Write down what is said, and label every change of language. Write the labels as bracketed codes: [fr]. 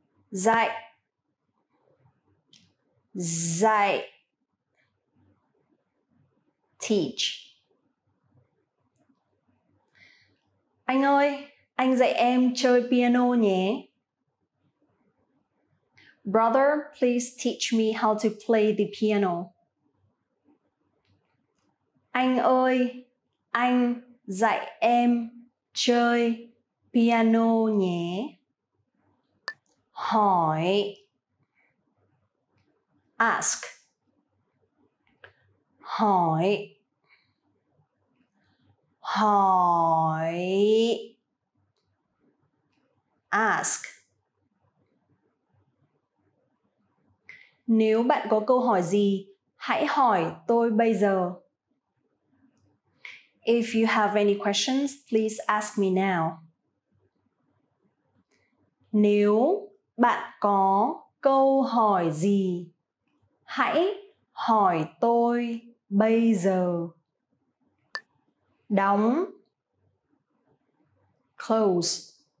[vi] Dạy. Dạy. [en] Teach. [vi] Anh ơi, anh dạy em chơi piano nhé. [en] Brother, please teach me how to play the piano. [vi] Anh ơi, anh dạy em chơi piano nhé. Hỏi. [en] Ask. [vi] Hỏi. Hỏi. [en] Ask. [vi] Nếu bạn có câu hỏi gì, hãy hỏi tôi bây giờ. [en] If you have any questions, please ask me now. [vi] Nếu bạn có câu hỏi gì, hãy hỏi tôi bây giờ. Đóng. [en] Close.